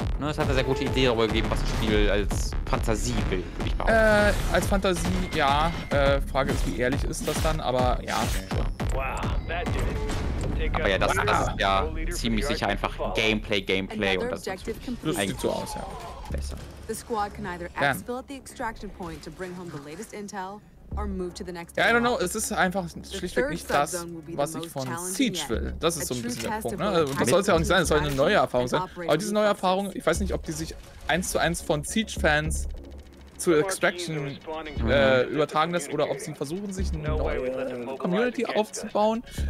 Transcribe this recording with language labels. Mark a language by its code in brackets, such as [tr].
[de] Ne, es hat eine sehr gute Idee darüber gegeben, was das Spiel als Fantasie will, würde ich behaupten. Als Fantasie, ja. Frage ist, wie ehrlich ist das dann? Aber ja. [en] Wow, that did it. [de] Aber ja, das ist ja ziemlich sicher einfach Gameplay und das sieht so aus, ja. Besser. [en] The squad can either exfil at the extraction point to bring home the latest intel or move to the next. [de] Ja, [en] I don't know, [de] es ist einfach schlichtweg nicht das, was ich von Siege will. Das ist so ein bisschen der Punkt, ne? Und das soll es ja auch nicht sein, es soll eine neue Erfahrung sein. Aber diese neue Erfahrung, ich weiß nicht, ob die sich 1:1 von Siege Fans zu Extraction übertragen lässt oder ob sie versuchen, sich eine neue Community aufzubauen.